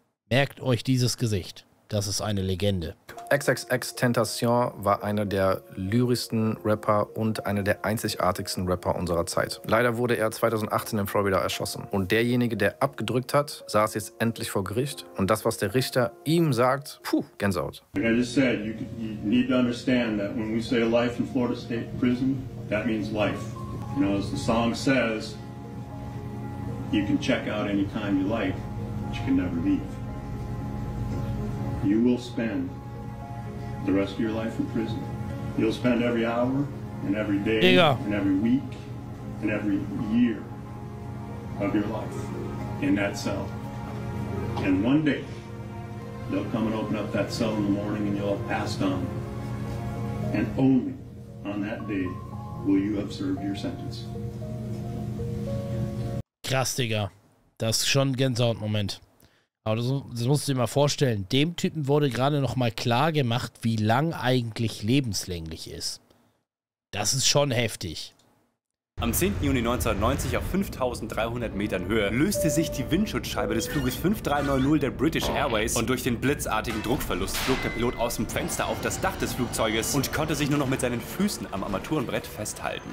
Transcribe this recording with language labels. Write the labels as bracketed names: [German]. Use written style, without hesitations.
[German] Merkt euch dieses Gesicht. Das ist eine Legende. XXXTentacion war einer der lyrischsten Rapper und einer der einzigartigsten Rapper unserer Zeit. Leider wurde er 2018 in Florida erschossen. Und derjenige, der abgedrückt hat, saß jetzt endlich vor Gericht. Und das, was der Richter ihm sagt, puh, Gänsehaut. [English] Like I just said, you need to understand that when we say life in Florida State Prison, that means life. You know, as the song says, you can check out any time you like, but you can never leave. You will spend the rest of your life in prison. You'll spend every hour and every day and every week and every year of your life in that cell. And one day, they'll come and open up that cell in the morning and you'll have passed on. And only on that day will you have served your sentence. [German] Krass, Digga. Das ist schon ein Gänsehaut-Moment. Aber das musst du dir mal vorstellen, dem Typen wurde gerade nochmal klar gemacht, wie lang eigentlich lebenslänglich ist. Das ist schon heftig. Am 10. Juni 1990 auf 5300 Metern Höhe löste sich die Windschutzscheibe des Fluges 5390 der British Airways und durch den blitzartigen Druckverlust flog der Pilot aus dem Fenster auf das Dach des Flugzeuges und konnte sich nur noch mit seinen Füßen am Armaturenbrett festhalten.